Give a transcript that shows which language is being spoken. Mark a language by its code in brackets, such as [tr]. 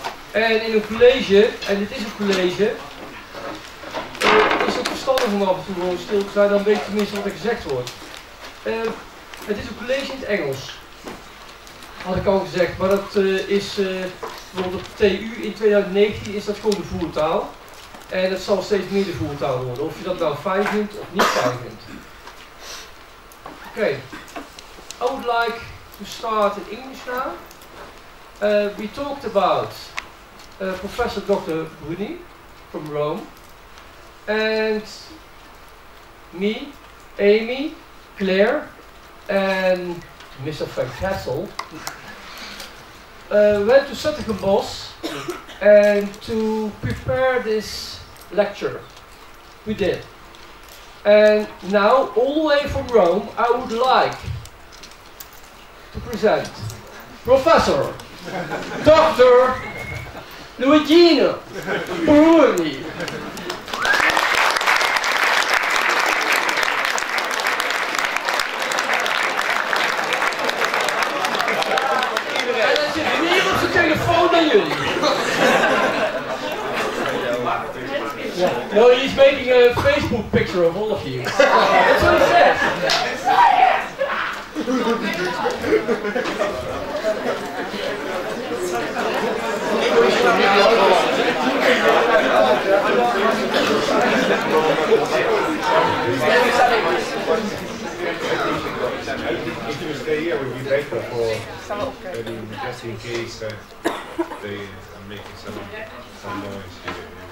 [nl] En in een college, en dit is een college, is het verstandig om af en toe gewoon stil te zijn, dan weet je tenminste wat er gezegd wordt. Het is een college in het Engels, had ik al gezegd, maar dat is bijvoorbeeld op de TU in 2019 is dat gewoon de voertaal. En het zal steeds meer de voertaal worden, of je dat nou fijn vindt of niet fijn vindt. [en] Okay, I would like to start in English now. We talked about Professor Dr. Bruni from Rome, and me, Amy, Claire, and Mr. Frank Castle went to Sutton Bos and to prepare this lecture. We did. And now, all the way from Rome, I would like to present Professor Dr. Luigino Bruni. [nl] En er zit meer op zijn telefoon dan jullie. [en] No, he's making a Facebook picture of all of you. That's what he said. If you stay here, it would be better for just in case they are making some noise here.